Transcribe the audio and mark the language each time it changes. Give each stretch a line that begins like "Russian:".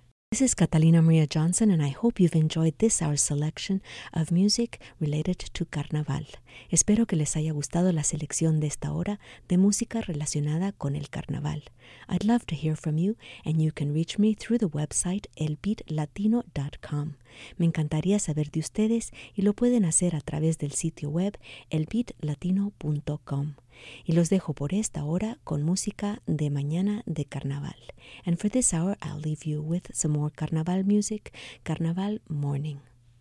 English: This is Catalina Maria Johnson, and I hope you've enjoyed this our selection of music related to Carnaval.
Spanish: Espero que les haya gustado la selección de esta hora de música relacionada con el Carnaval.
English: I'd love to hear from you, and you can reach me through the website elbeatlatino.com.
Spanish: Me encantaría saber de ustedes, y lo pueden hacer a través del sitio web elbeatlatino.com. Y los dejo por esta hora con música de mañana de Carnaval.
English: And for this hour, I'll leave you with some more Carnaval music, Carnaval Morning.